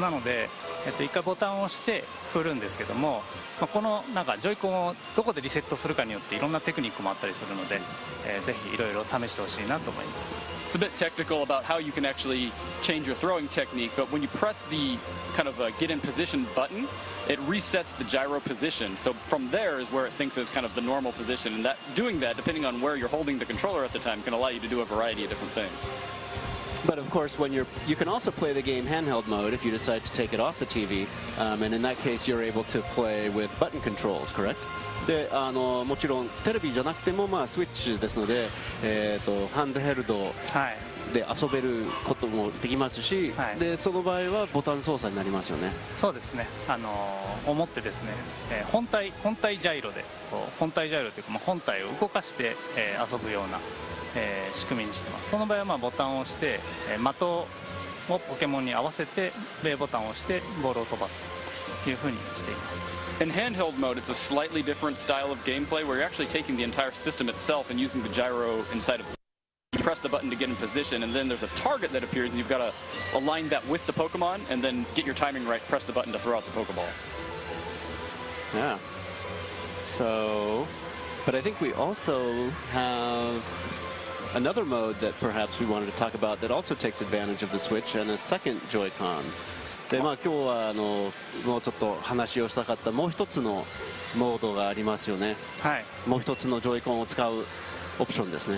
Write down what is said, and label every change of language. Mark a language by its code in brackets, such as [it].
[ja] なので一回ボタンを押して振るんですけども、まあ、このなんかジョイコンをどこでリセットするかによっていろんなテクニックもあったりするので、ぜひいろいろ試してほしいなと思います。 [en] It's a bit technical about how you can actually change your throwing technique, but when you press the kind of a get in position button, it resets the gyro position. So from there is where it thinks is kind of the normal position, and that doing that depending on where you're holding the controller at the time can allow you to do a variety of different things. But of course, when you can also play the game handheld mode if you decide to take it off the TV, and in that case, you're able to play with button controls, correct? [ja] で、もちろんテレビじゃなくてもまあスイッチですので、ハンドヘルドで遊べることもできますし、はい、でその場合はボタン操作になりますよね。そうですね。思ってですね、本体ジャイロで、本体ジャイロというか、まあ、本体を動かして、遊ぶような。仕組みにしてます。その場合はまあボタンを押して、的をポケモンに合わせて B ボタンを押してボールを飛ばすというふうにしています。 [en] In handheld mode, it's a slightly different style of gameplay where you're actually taking the entire system itself and using the gyro inside of it. You press the button to get in position, and then there's a target that appears, and you've got to align that with the Pokemon and then get your timing right, press the button to throw out the Pokeball. Yeah. So, but I think we also haveAnother mode that perhaps we wanted to talk about that also takes advantage of the Switch and a second Joy-Con. [ja] で、まあ、今日はもうちょっと話をしたかったもう一つのモードがありますよね。はい。もう一つのジョイコンを使うオプションですね。